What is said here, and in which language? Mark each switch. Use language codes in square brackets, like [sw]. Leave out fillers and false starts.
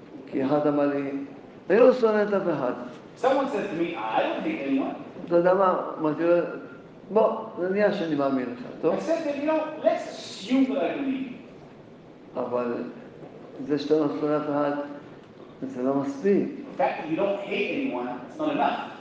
[he] כי אחד אמר לי אני לא שונא את אף אחד [en] someone says to me, I don't think anyone [he] אתה יודע מה? אמרתי לו בוא, נניח שאני מאמין לך, טוב? [en] I said, you know, let's assume that I believe [he] אבל זה שאתה לא שונא את אחד זה לא מספיק. [en] In fact, if you don't hate anyone, it's not enough.